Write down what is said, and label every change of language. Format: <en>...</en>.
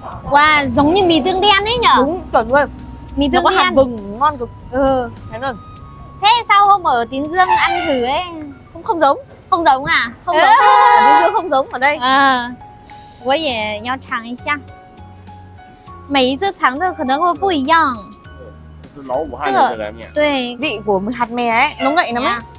<vi>Wow, giống như mì tương đen ấy nhở? Đúng, chuẩn luôn. Mì tương đen. Nó có hạt vừng, ngon cực. Ừ, thế luôn. Thế sao hôm ở Tín Dương ăn thử ấy? Không giống. Không giống à? Không giống. Tín Dương không giống ở đây.</vi> <zh>À, 我也要尝一下. 每一次尝的可能会不一样. 这是老武汉的热干面。对。</zh> <vi>vị của hạt mè ấy, nó ngậy lắm ấy.</vi>